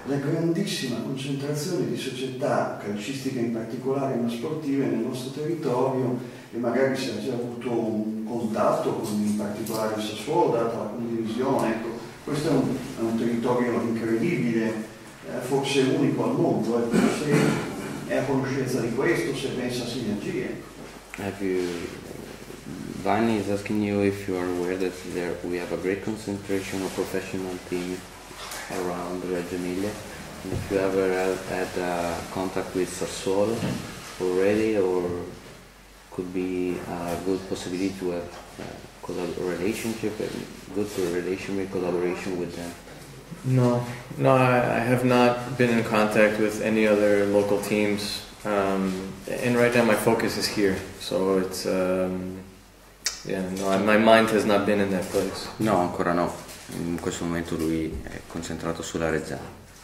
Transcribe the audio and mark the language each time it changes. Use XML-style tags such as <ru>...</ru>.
<it>La grandissima concentrazione di società calcistiche in particolare, ma sportive nel nostro territorio, e magari si è già avuto un contatto con in particolare il Sassuolo, data la condivisione, ecco, questo è un territorio incredibile, forse unico al mondo, forse è a conoscenza di questo, se pensa a sinergie.</it> <en>Have you, Vanni is asking you if you are aware that there we have a great concentration of professional team around Reggio Emilia, and if you ever had contact with Sassuolo already, or could be a good possibility to have a good relationship with them. No, I have not been in contact with any other local teams. And right now my focus is here, so it's my mind has not been in that place.</en> <it>No, ancora no. In questo momento lui è concentrato sulla Reggiana.</it>